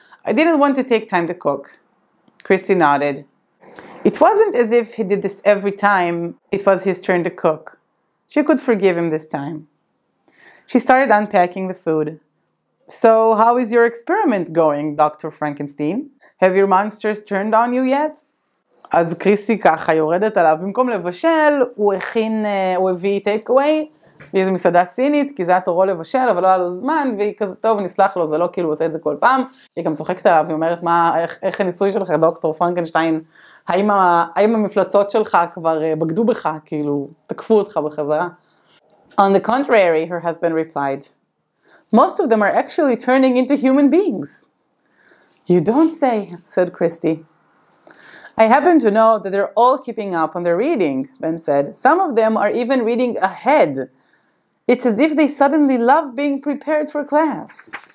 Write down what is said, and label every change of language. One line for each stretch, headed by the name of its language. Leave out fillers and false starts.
English: I didn't want to take time to cook." Christy nodded. It wasn't as if he did this every time it was his turn to cook. She could forgive him this time. She started unpacking the food. "So how is your experiment going, Dr. Frankenstein? Have your monsters turned on you yet?"
Hebrew: אז קריסי ככה יורדת עליו. במקום לבשל, הוא הביא טייקווי, איזו מסעדה סינית, כי זה היה תורו לבשל, אבל לא היה לו זמן, והיא כזה, טוב, נסלח לו, זה לא כאילו עושה את זה כל פעם. היא גם צוחקת עליו, היא אומרת, מה, איך הניסוי שלך, דוקטור פרנקנשטיין, האם המפלצות שלך כבר בגדו בך, כאילו, תקפו אותך בחזרה?
English: "On the contrary," her husband replied, "most of them are actually turning into human beings." "You don't say," said Christy. "I happen to know that they're all keeping up on their reading," Ben said. "Some of them are even reading ahead. It's as if they suddenly love being prepared for class."